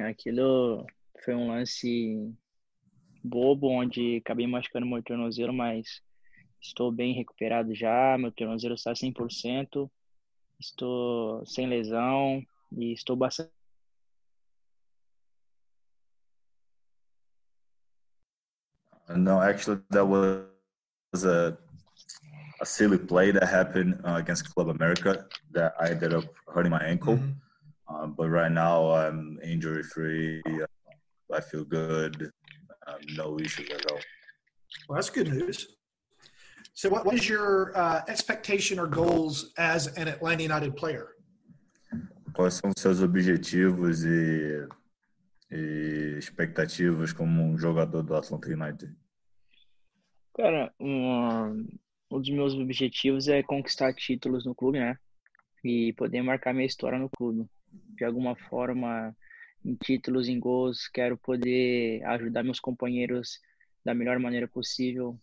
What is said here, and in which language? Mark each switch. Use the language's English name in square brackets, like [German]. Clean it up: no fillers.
[Portuguese] Aquilo foi um lance bobo, onde acabei machucando meu tornozelo, mas estou bem recuperado já, meu tornozelo está 100%, estou sem lesão e estou bastante... [English] No, actually, that was a silly play that happened against Club America that I ended up hurting my ankle. Mm-hmm. But right now, I'm injury-free. I feel good. No issues at all. Well, that's good news. So what is your expectation or goals as an Atlanta United player? [Portuguese] Quais são seus objetivos e expectativas como jogador do Atlanta United? Cara, um dos meus objetivos é conquistar títulos no clube, né? E poder marcar minha história no clube. De alguma forma, em títulos, em gols, quero poder ajudar meus companheiros da melhor maneira possível.